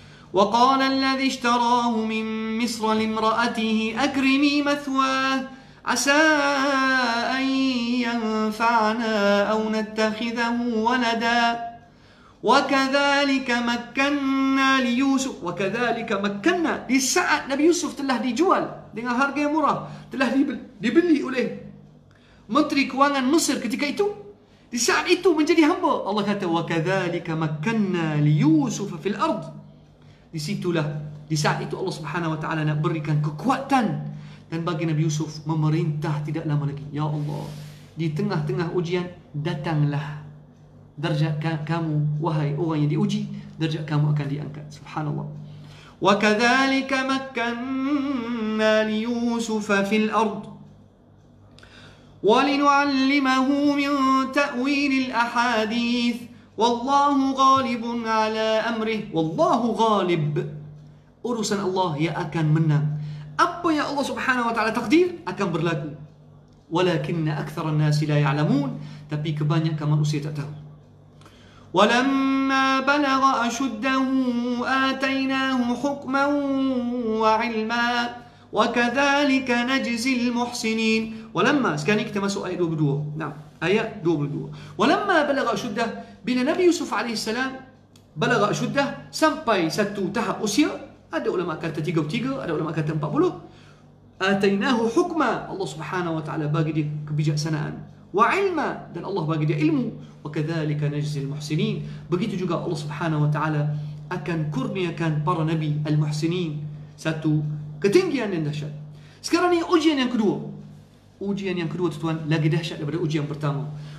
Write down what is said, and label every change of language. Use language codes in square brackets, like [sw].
[ar] وقال الذي اشتراه من مصر لامرأته أكرمي مثواه عسى أن ينفعنا أو نتخذه ولدا وكذلك مكنا [ms] di saat Nabi Yusuf telah dijual dengan harga yang murah, telah dibeli oleh Menteri Kewangan Mesir ketika itu, di saat itu menjadi hamba. Allah kata [ar] وكذلك مكنا ليوسف في الأرض. [ms] Di situlah, di saat itu Allah Subhanahu wa taala nak berikan kekuatan dan bagi Nabi Yusuf memerintah tidak lama lagi. Ya Allah, di tengah-tengah ujian datanglah darjat kamu, wahai orang yang diuji, darjat kamu akan diangkat. Subhanallah. [ar] وكذلك مكنا ليوسف في الأرض ولنعلمه من تأويل الأحاديث والله غالب على أمره والله غالب. [ms] Urusan Allah ya akan menang. Apa yang Allah Subhanahu wa taala takdir akan berlaku. [ar] ولكن أكثر الناس لا يعلمون. [ms] Tapi kebanyakan manusia tak tahu. [ar] ولما بلغ أشده آتيناه حكما وعلما وكذلك نجزي المحسنين. ولما سكانك تمسوا آية 22. نعم آية 22. ولما بلغ أشده بين نبي يوسف عليه السلام بلغ أشده [ms] sampai satu tahap usia. Ada ulama kata 33, ada ulama kata 40. [ar] آتيناه حكما, الله سبحانه وتعالى [ms] bagi dia kebijaksanaan. [ar] وعلما, [ms] dan Allah bagi dia ilmu. [ar] وكذلك نجزي المحسنين, [ms] begitu juga Allah Subhanahu wa taala akan kurniakan para nabi al-muhsinin satu ketinggian yang dahsyat. Sekarang ni ujian yang kedua. Ujian yang kedua tuan lagi dahsyat daripada ujian pertama.